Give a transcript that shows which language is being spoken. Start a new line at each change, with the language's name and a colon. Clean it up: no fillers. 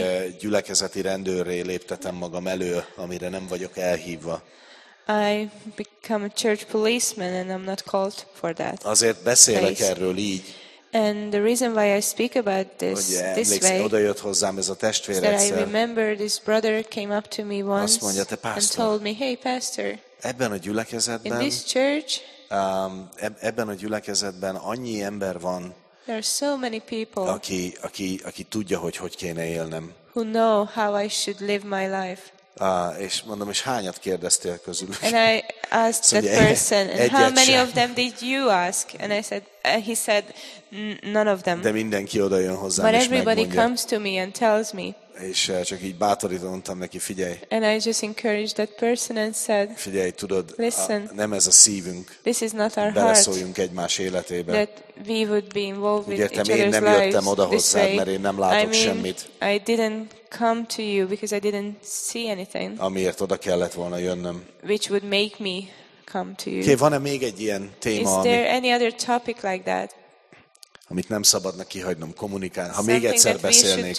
Hungarian: egy gyülekezeti rendőrré léptetem magam elő, amire nem vagyok elhívva.
English: I become a church policeman and I'm not called for that.
Hungarian: Azért beszélek erről így.
English: And the reason why I speak about this way,
Hungarian: oda jött hozzám ez a testvér egyszer.
English: That I remember this brother came up to me once,
Hungarian: mondja,
English: and told me, hey pastor,
Hungarian: ebben a gyülekezetben,
English: in this church,
Hungarian: ebben a gyülekezetben annyi ember van,
English: there are so many people,
Hungarian: aki tudja, hogy kéne élnem.
English: Who know how I should live my life.
Hungarian: És mondom, és hányat kérdeztél közülük?
English: And I asked that person, and how many of them did you ask? And I said, he said, none of them.
Hungarian: De mindenki oda jön hozzám,
English: but everybody comes to me and tells me.
Hungarian: És csak így bátorítom, mondtam neki, figyelj.
English: And I just encouraged that person and said,
Hungarian: figyelj, tudod,
English: listen,
Hungarian: nem ez a szívünk.
English: This is not our heart.
Hungarian: Beleszóljunk egymás életébe.
English: That we would be involved with
Hungarian: értem,
English: each other's lives.
Hungarian: Én nem jöttem oda hozzád, mert én nem látok semmit.
English: I didn't come to you because I didn't see anything.
Hungarian: Amiért oda kellett volna jönnöm.
English: Which would make me come to you.
Hungarian: Okay, van-e még egy ilyen téma?
English: Is there any other topic like that?
Hungarian: Amit nem szabadna kihagynom, kommunikálni. Ha még egyszer beszélnék